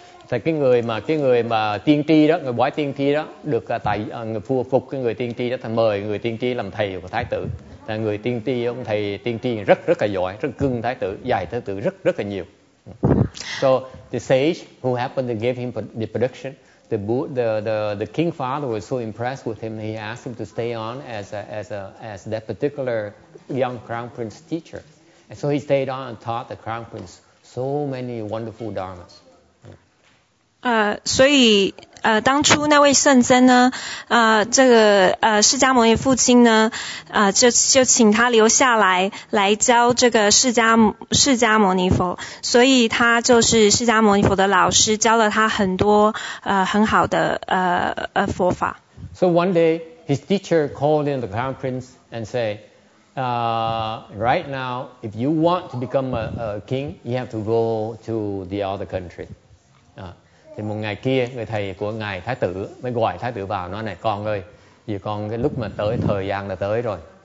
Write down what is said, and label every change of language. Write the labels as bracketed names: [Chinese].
[Vietnamese] Thì cái người mà tiên tri đó, người bói tiên tri đó, được tại người phu phục cái người tiên tri đó, thì mời người tiên tri làm thầy của thái tử. Thì người tiên tri, ông thầy tiên tri rất rất là giỏi, rất cưng thái tử, dạy thái tử rất rất là nhiều. [English] So the sage who happened to give him the prediction, the king father was so impressed with him, he asked him to stay on as that particular young crown prince teacher. And so he stayed on and taught the crown prince so many wonderful dharmas. [Chinese] 所以当初那位圣僧呢这个释迦牟尼父亲呢就请他留下来教这个释迦牟尼佛，所以他就是释迦牟尼佛的老师，教了他很多很好的佛法。 [English] So one day his teacher called in the crown prince and said, right now if you want to become a king, you have to go to the other country. [Vietnamese] Thì một ngày kia người thầy của ngài thái tử mới gọi thái tử vào, nói này con ơi, vì con cái lúc mà tới thời gian là tới rồi,